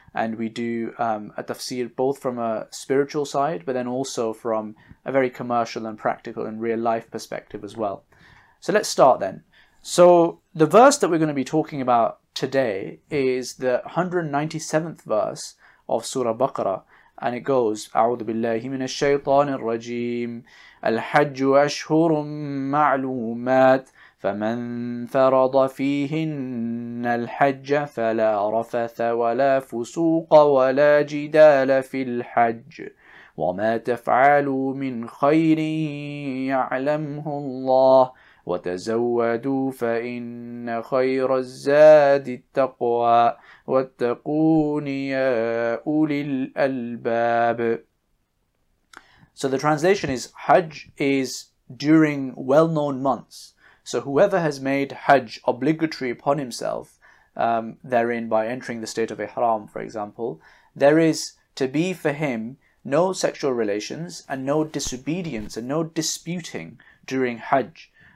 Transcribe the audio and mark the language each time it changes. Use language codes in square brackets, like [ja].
[en] And we do a tafsir both from a spiritual side, but then also from a very commercial and practical and real life perspective as well. So let's start then. So the verse that we're going to be talking about today is the 197th verse of Surah Baqarah. And it goes, [ar] أعوذ بالله من الشيطان الرجيم الحج أشهر معلومات فمن فرض فيهن الحج فلا رفث ولا فسوق ولا جدال في الحج وما تفعلوا من خير يعلمه الله وتزودوا فإن خير الزاد التقوى واتقون يا أولي الألباب. [en] So the translation is, Hajj is during well-known months. So whoever has made Hajj obligatory upon himself, therein by entering the state of Ihram, for example, there is to be for him no sexual relations and no disobedience and no disputing during Hajj.